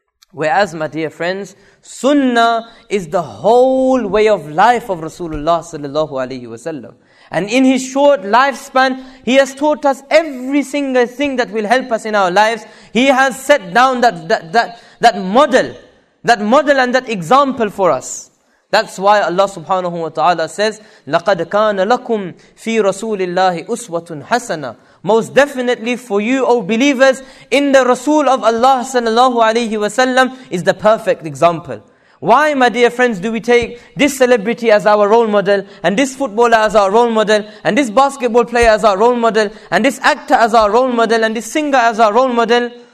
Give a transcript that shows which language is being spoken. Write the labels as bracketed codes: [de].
[en] Whereas, my dear friends, sunnah is the whole way of life of Rasulullah sallallahu alaihi wasallam. And in his short lifespan, he has taught us every single thing that will help us in our lives. He has set down that model and that example for us. That's why Allah subhanahu wa ta'ala says, [ar] لَقَدْ كَانَ لَكُمْ فِي رَسُولِ اللَّهِ أُسْوَةٌ حَسَنًا. [en] Most definitely for you, O believers, in the Rasul of Allah sallallahu alayhi wa sallam is the perfect example. Why, my dear friends, do we take this celebrity as our role model, and this footballer as our role model, and this basketball player as our role model, and this actor as our role model, and this singer as our role model?